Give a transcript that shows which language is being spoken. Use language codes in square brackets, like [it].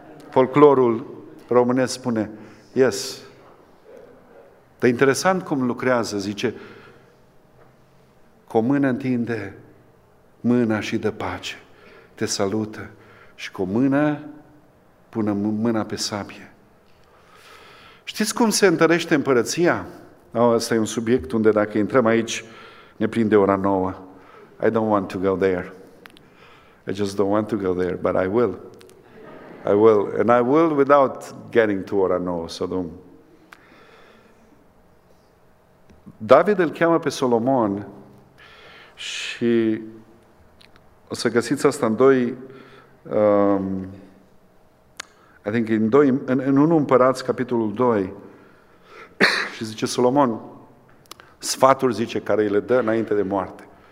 [ro] Folclorul românesc spune, yes. Dar interesant cum lucrează, zice, cu o mână întinde mâna și dă pace, te salută. Și cu o mână, pune mâna pe sabie. Știți cum se întărește împărăția? Asta e un subiect unde dacă intrăm aici, ne prinde ora 9. [en] I don't want to go there. I just don't want to go there, but I will. I will, and I will without getting to [ro] ora 9. [en] So don't. [ro] David îl cheamă pe Solomon și o să găsiți asta în [en] I think in 2, [ro] în 1 Împărați, capitolul 2, și zice Solomon, sfaturi, zice, care îi le dă înainte de moarte.